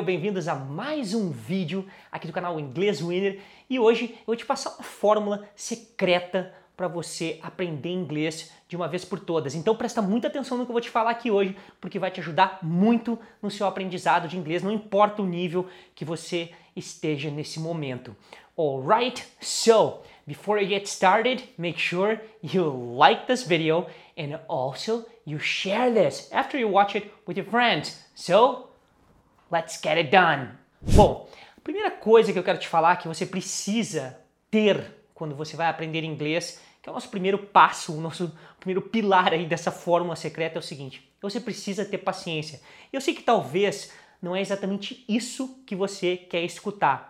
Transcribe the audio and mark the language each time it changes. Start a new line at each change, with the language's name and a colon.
Portuguese: Bem-vindos a mais vídeo aqui do canal Inglês Winner. E hoje eu vou te passar uma fórmula secreta para você aprender inglês de uma vez por todas. Então presta muita atenção no que eu vou te falar aqui hoje, porque vai te ajudar muito no seu aprendizado de inglês, não importa o nível que você esteja nesse momento.
English: Alright, so before I get started, make sure you like this video and also you share this after you watch it with your friends. So, let's get it done.
Portuguese: Bom, a primeira coisa que eu quero te falar que você precisa ter quando você vai aprender inglês, que é o nosso primeiro passo, o nosso primeiro pilar aí dessa fórmula secreta, é o seguinte: você precisa ter paciência. Eu sei que talvez não é exatamente isso que você quer escutar.